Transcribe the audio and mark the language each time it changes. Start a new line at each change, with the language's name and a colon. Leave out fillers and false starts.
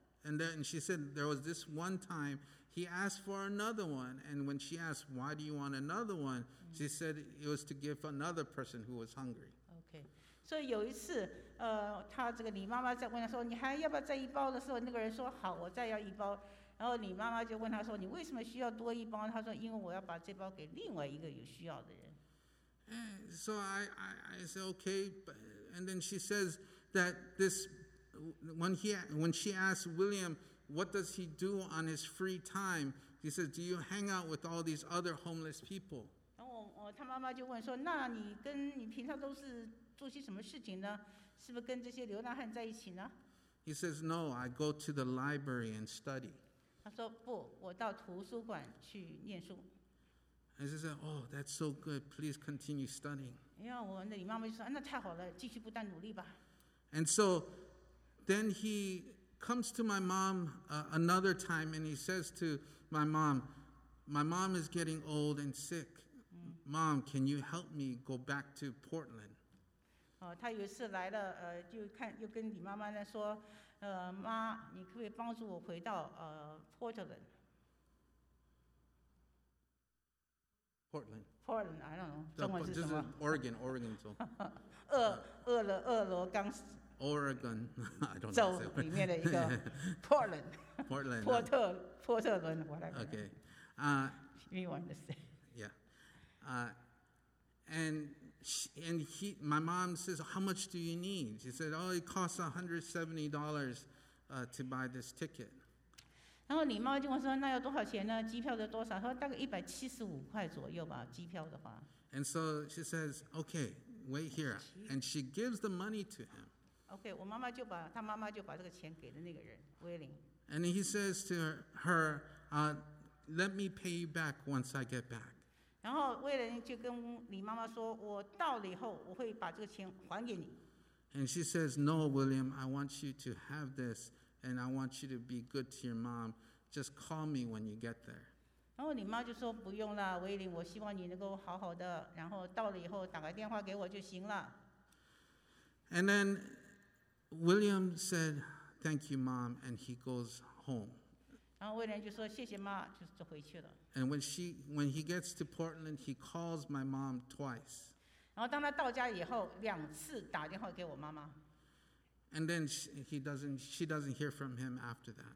English: And then she said, "There was this one time he asked for another one, and when she asked, 'Why do you want another one?' she said it was to give another person who was hungry." Okay.
Chinese: 所以有一次，他这个李妈妈在问他说：“你还要不要再一包？” 的时候，那个人说：“好，我再要一包。” 然后李妈妈就问他说：“你为什么需要多一包？” 他说：“因为我要把这包给另外一个有需要的人。”
English: So I said okay, but, and then she says that this when she asked William what does he do on his free time, he says, "Do you hang out with all these other homeless people?"
Chinese: 然后他妈妈就问说：“那你跟你平常都是？” 做些什么事情呢？是不是跟这些流浪汉在一起呢？
English: He says, "No, I go to the library and study."
Chinese: 他说不，我到图书馆去念书。
English: I just said, "Oh, that's so good. Please continue studying."
Chinese: 因为我那你妈妈就说，那太好了，继续不断努力吧。
English: And so, then he comes to my mom another time, and he says to "My mom is getting old and sick. Mom, can you help me go back to Portland?"
Chinese: 他有一次来了，又跟你妈妈呢说，妈，你可不可以帮助我回到Portland?
English: Portland, I don't know,
Chinese: 中文是什么？就是 Oregon 州。俄罗冈。
English: Oregon, I don't know.
Chinese: 州里面的一个 Portland.
English: Portland.
Chinese: 波特伦
English: whatever. Okay. You want to say? Yeah. And my mom says, "How much do you need?" She said, "Oh, it costs $170 to buy this ticket."
Chinese: 然后你妈就问说，那要多少钱呢？机票要多少？说大概175块左右吧，机票的话。
English: And so she says, "Okay, wait here." And she gives the money to him.
Chinese: Okay, 我妈妈就把她妈妈就把这个钱给了那个人，威廉。
English: And he says to her, "Let me pay you back once I get back."
Chinese: 然后威廉就跟你妈妈说，我到了以后我会把这个钱还给你。
English: And she says, "No, William, I want you to have this, and I want you to be good to your mom. Just call me when you get there."
Chinese: 然后你妈就说，不用了，威廉，我希望你能够好好的，然后到了以后打个电话给我就行了。
English: And then William said, "Thank you, Mom," and he goes home.
Chinese: 然后威廉就说谢谢妈，就是回去了。
English: And when he gets to Portland, he calls my mom twice.
Chinese: 然后当他到家以后，两次打电话给我妈妈。
English: And then she doesn't hear from him after that.